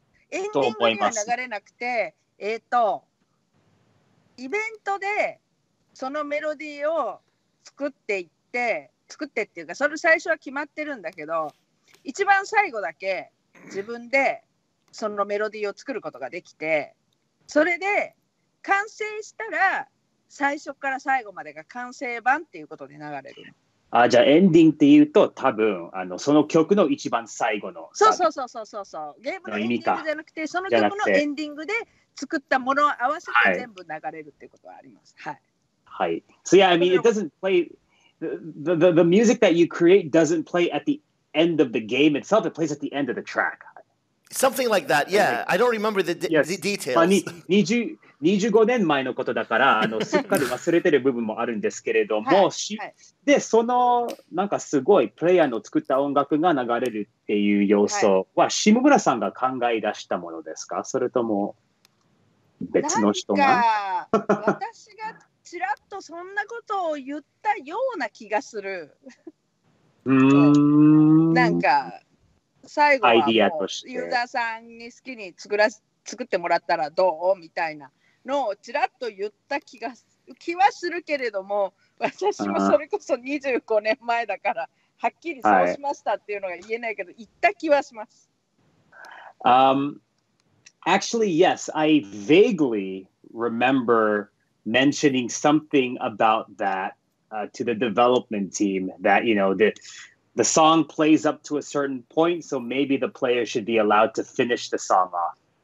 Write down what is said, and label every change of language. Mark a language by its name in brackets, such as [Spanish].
[Japanese] エンディングには流れなくて、イベントでそのメロディーを作っていって、作ってっていうか、それ最初は決まってるんだけど、一番最後だけ自分でそのメロディーを作ることができて、それで完成したら最初から最後までが完成版っていうことで流れる。あ、じゃあエンディングっていうと多分その曲の一番最後の、そうそうそうそうそうそう、ゲームのエンディングじゃなくてその曲のエンディングで作ったものを合わせて全部流れるっていうことはあります。はいはい。 [English] So yeah, I mean it doesn't play the music that you create doesn't play at the end of the game itself, it plays at the end of the track, something like that. Yeah, I don't remember the details. [Japanese] 25年前のことだからすっかり忘れてる部分もあるんですけれども、はいはい、でそのなんかすごいプレイヤーの作った音楽が流れるっていう要素は、はい、下村さんが考え出したものですか、それとも別の人が？なんか私がちらっとそんなことを言ったような気がする。なんか最後はもうユーザーさんに好きに作ってもらったらどうみたいなのをちらっと言った気はするけれども、私もそれこそ25年前だからはっきりそうしましたっていうのが言えないけど、はい、言った気はします。 [English] Actually yes, I vaguely remember mentioning something about thatto the development team, that you know the song plays up to a certain point, so maybe the player should be allowed to finish the song off.